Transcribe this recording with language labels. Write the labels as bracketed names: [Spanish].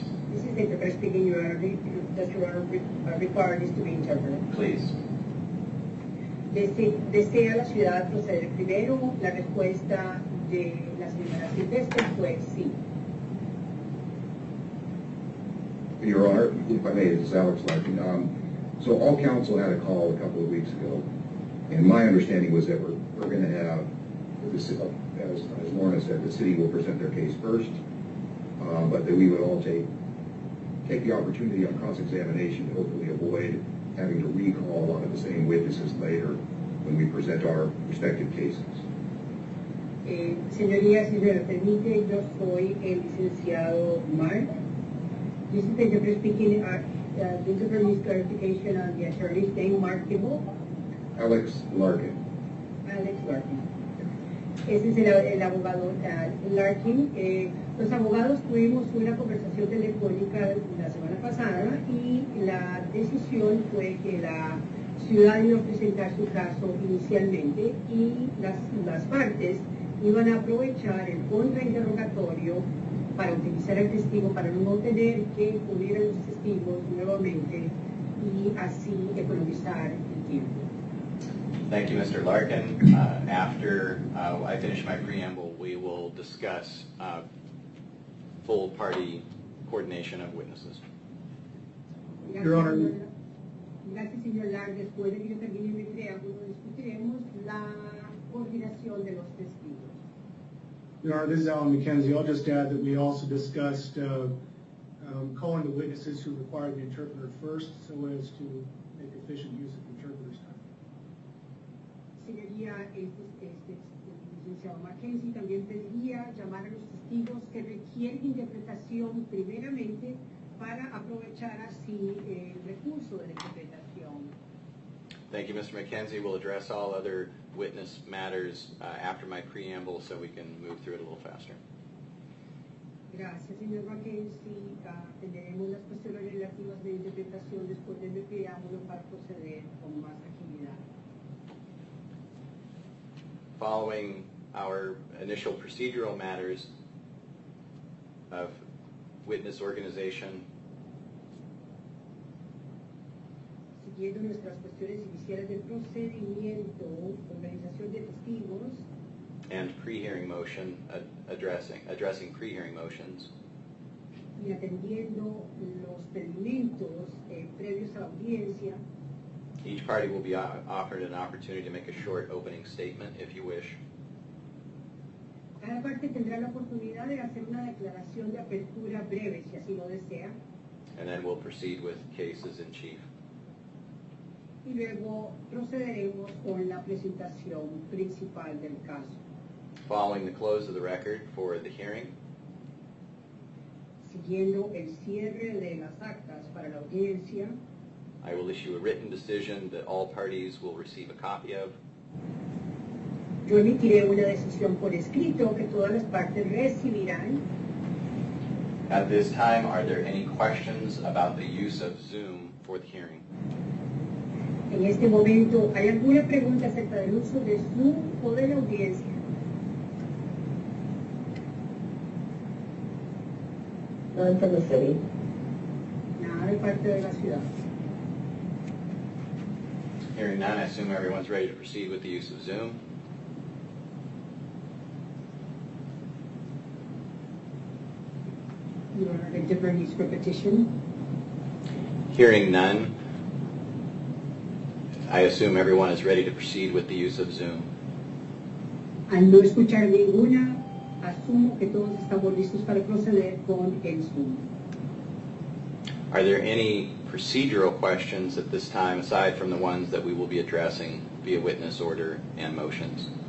[English] This is the interpreter speaking, Your Honor. Does Your Honor require this to be interpreted? Please. [Spanish] ¿Desea la ciudad proceder primero? La respuesta de la señora Silvestre fue sí. [English] Your Honor, if I may, this is Alex Larkin. So all counsel had a call a couple of weeks ago, and my understanding was that we're going to have, as Lorna said, the city will present their case first, but that we would all take the opportunity on cross-examination to hopefully avoid having to recall a lot of the same witnesses later when we present our respective cases. [Spanish] Señoría, si me permite, yo soy el licenciado Mark. [English] This is the interpreter speaking. This is for clarification on the attorney's name, Mark Kibble. Alex Larkin. [Spanish] Alex Larkin. Este es el abogado Larkin. Los abogados tuvimos una conversación telefónica la semana pasada y la decisión fue que la ciudad iba a presentar su caso inicialmente y las partes iban a aprovechar el fondo interrogatorio para utilizar el testigo, para no tener que cubrir a los testigos nuevamente y así economizar el tiempo. [English] Thank you, Mr. Larkin. After I finish my preamble, we will discuss full party coordination of witnesses. Your Honor. [Spanish] Gracias, señor Larkin. Después de que yo termine mi preámbulo, discutiremos la coordinación de los testigos. [English] Your Honor, this is Alan McKenzie. I'll just add that we also discussed calling the witnesses who required the interpreter first so as to make efficient use of the interpreter's time. [Spanish] Señoría, licenciado McKenzie, también pediría llamar a los testigos que requieren interpretación primeramente para aprovechar así el recurso de la interpretación. [English] Thank you, Mr. McKenzie. We'll address all other witness matters after my preamble so we can move through it a little faster. [Spanish] Gracias, señor McKenzie. Tendremos las cuestiones relativas de interpretación después de mi preámbulo para proceder con más agilidad. [English] Following our initial procedural matters of witness organization. [Spanish] Siguiendo nuestras cuestiones iniciales de procedimiento, organización de testigos. [English] And pre-hearing motion, addressing pre-hearing motions. [Spanish] Y atendiendo los pedimentos previos a la audiencia. [English] Each party will be offered an opportunity to make a short opening statement, if you wish. [Spanish] Cada parte tendrá la oportunidad de hacer una declaración de apertura breve, si así lo desea. [English] And then we'll proceed with cases in chief. [Spanish] Y luego procederemos con la presentación principal del caso. [English] Following the close of the record for the hearing. [Spanish] Siguiendo el cierre de las actas para la audiencia. [English] I will issue a written decision that all parties will receive a copy of. [Spanish] Yo emitiré una decisión por escrito que todas las partes recibirán. [English] At this time, are there any questions about the use of Zoom for the hearing? [Spanish] En este momento, ¿hay alguna pregunta acerca del uso de Zoom o de la audiencia? [English] None from the city. [Spanish] Nada de parte de la ciudad. [English] Hearing none, I assume everyone's ready to proceed with the use of Zoom. You are ready to bring these for petition? Hearing none, I assume everyone is ready to proceed with the use of Zoom. [Spanish] Al no escuchar ninguna, asumo que todos estamos listos para proceder con el Zoom. [English] Are there any procedural questions at this time, aside from the ones that we will be addressing via witness order and motions?